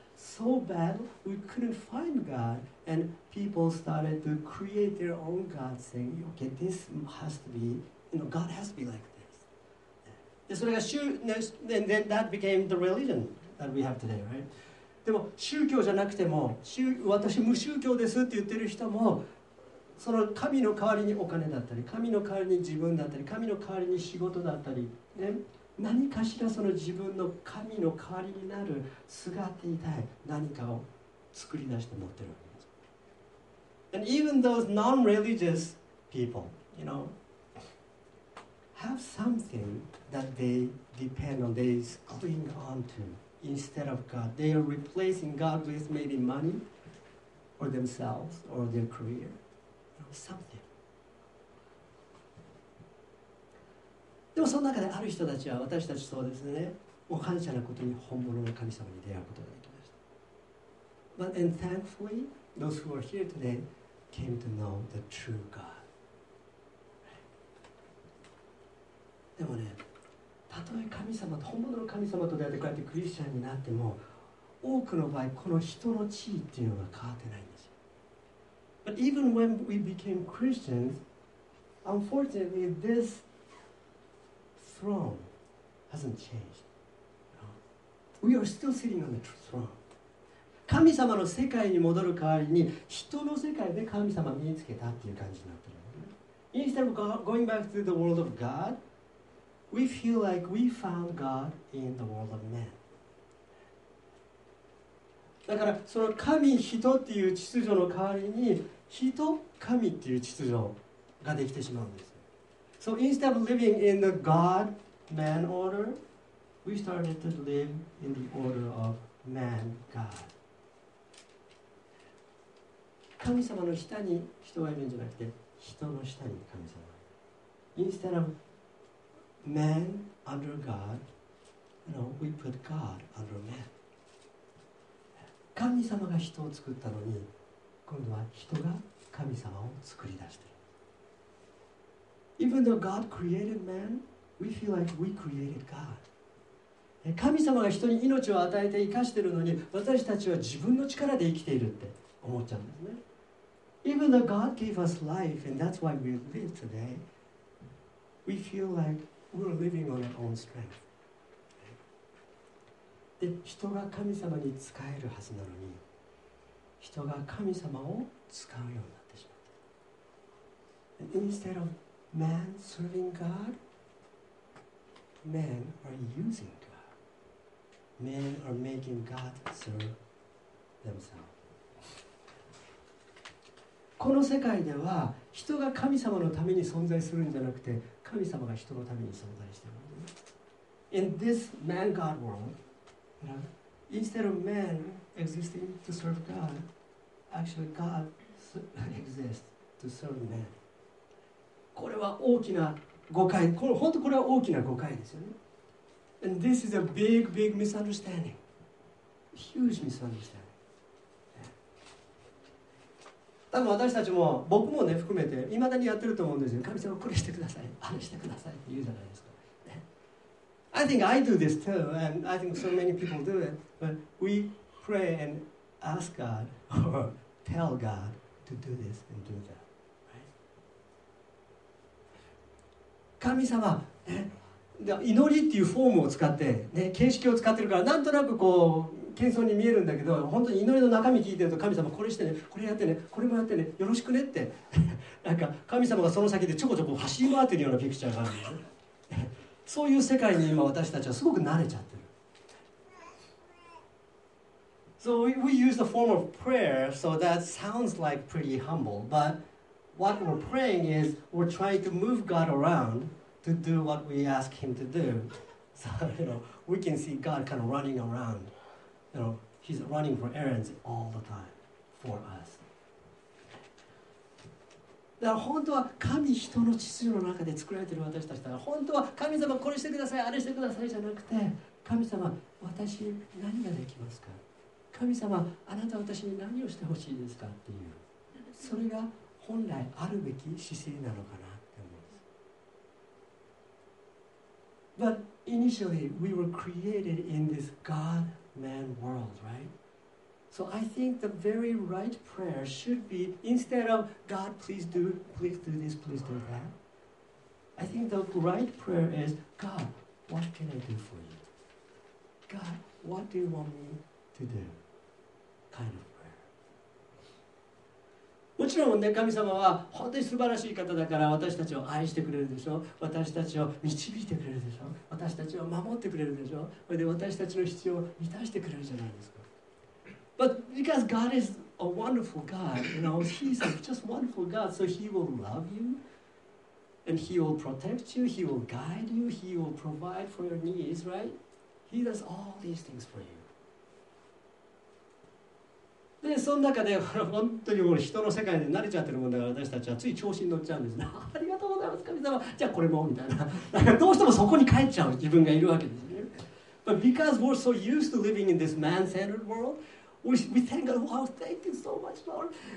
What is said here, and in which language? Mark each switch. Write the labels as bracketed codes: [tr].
[en] so bad we couldn't find God, and people started to create their own God, saying, okay, this has to be, you know, God has to be like this. And then that became the religion that we have today, right? [ja] でも宗教じゃなくても、私無宗教ですって言ってる人も、その神の代わりにお金だったり、神の代わりに自分だったり、神の代わりに仕事だったり、ね、何かしらその自分の神の代わりになる姿みたい何かを作り出して持ってるわけです。 [en] And even those non-religious people, you know, have something that they depend on, they cling on to. Instead of God, they are replacing God with maybe money, or themselves, or their career, or something. [ja] でもその中である人たちは私たちそうですね。もう感謝なことに本物の神様に出会うことができました。 [en] But and thankfully, those who are here today came to know the true God. [ja] でもね。たとえ神様と本物の神様と出会ってこうやってクリスチャンになっても多くの場合この人の地位っていうのが変わってないんですよ。 [en] But even when we became Christians, unfortunately this throne hasn't changed. We are still sitting on the throne. [ja] 神様の世界に戻る代わりに人の世界で神様を身につけたっていう感じになってる。 [en] Instead of going back to the world of God,We feel like we found God in the world of men. [ja] だからその神人っていう秩序の代わりに人神っていう秩序ができてしまうんです。 [en] So instead of living in the God-man order, we started to live in the order of man-God. [ja] 神様の下に人がいるんじゃなくて人の下に神様がいる。 [en] Instead ofMen under God, you know, we put God under men. [ja] 神様が人を作ったのに、今度は人が神様を作り出している。 [en] Even though God created man, we feel like we created God. [ja] 神様が人に命を与えて生かしているのに、私たちは自分の力で生きているって思っちゃうんですね。 [en] Even though God gave us life, and that's why we live today, we feel likeWe're living on our own strength. [ja] で、人が神様に使えるはずなのに、人が神様を使うようになってしまった。 [en] And instead of man serving God, men are using God. Men are making God serve themselves. [ja] この世界では、人が神様のために存在するんじゃなくて、神様が人のために存在しているんです。 [en] In this man-God world, instead of man existing to serve God, actually God exists to serve man. [ja] これは大きな誤解。これ本当これは大きな誤解ですよね。 [en] And this is a big, big misunderstanding. Huge misunderstanding. [ja] 多分私たちも僕もね含めて未だにやってると思うんですよ。神様これしてください、あれしてくださいって言うじゃないですか。 [en] I think I do this too, and I think so many people do it. But we pray and ask God or tell God to do this and do that. [ja] 神様、ね、祈りっていうフォームを使って、ね、形式を使ってるからなんとなくこう。謙遜に見えるんだけど、本当に祈りの中身聞いてると神様これしてね、これやってね、これもやってね、よろしくねって、なんか神様がその先でちょこちょこ走り回ってるようなピクチャーがあるんです。そういう世界に今私たちはすごく慣れちゃってる。 [en] So we use the form of prayer, so that sounds like pretty humble. But what we're praying is we're trying to move God around to do what we ask Him to do. So you know we can see God kind of running around. You know, he's running for errands all the time for us. [ja] だから本当は神人の秩序の中で作られている私たちだから本当は神様これしてくださいあれしてくださいじゃなくて神様私何ができますか神様あなた私に何をしてほしいですかっていうそれが本来あるべき姿勢なのかなって思うんです。 [en] But initially we were created in this God-man world, right? So I think the very right prayer should be instead of God, please do this, please do that. I think the right prayer is, God, what can I do for you? God, what do you want me to do? Kind of prayer. [ja] もちろんね、神様は本当に素晴らしい方だから私たちを愛してくれるでしょ。私たちを導いてくれるでしょ。私たちを守ってくれるでしょ。それで私たちの必要を満たしてくれるじゃないですか。 [en] But because God is a wonderful God, you know, He's a just wonderful God, so He will love you, and He will protect you, He will guide you, He will provide for your needs, right? He does all these things for you. [ja] で、その中で、本当にもう人の世界で慣れちゃってるもんだから、私たちはつい調子に乗っちゃうんですね。ありがとうございます、神様。じゃあこれも、みたいな。どうしてもそこに帰っちゃう自分がいるわけですね。 [en] But because we're so used to living in this man-centered world,We thank God, wow, thank you so much, Lord.